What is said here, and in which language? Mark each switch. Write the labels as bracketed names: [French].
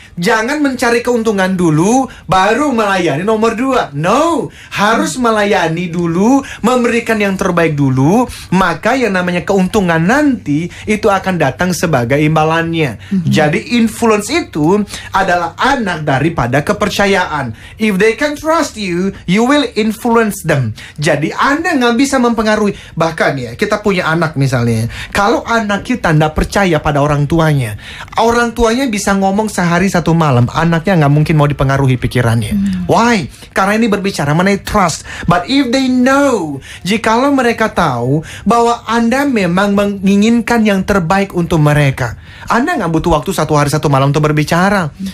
[Indonesian] Jangan mencari keuntungan dulu baru melayani nomor dua. No, harus melayani dulu, memberikan yang terbaik dulu, maka yang namanya keuntungan nanti itu akan datang sebagai imbalannya. Jadi influence itu adalah anak daripada kepercayaan. [English] If they can trust you, you will influence them. [Indonesian] Jadi Anda gak bisa mempengaruhi. Bahkan ya, kita punya anak misalnya, kalau anak kita gak percaya pada orang tuanya, orang tuanya bisa ngomong sehari satu malam, anaknya gak mungkin mau dipengaruhi pikirannya. Why? Karena ini berbicara mengenai trust. [English] But if they know, [Indonesian] jikalau mereka tahu bahwa Anda memang menginginkan yang terbaik untuk mereka, Anda gak butuh waktu satu hari satu malam untuk berbicara.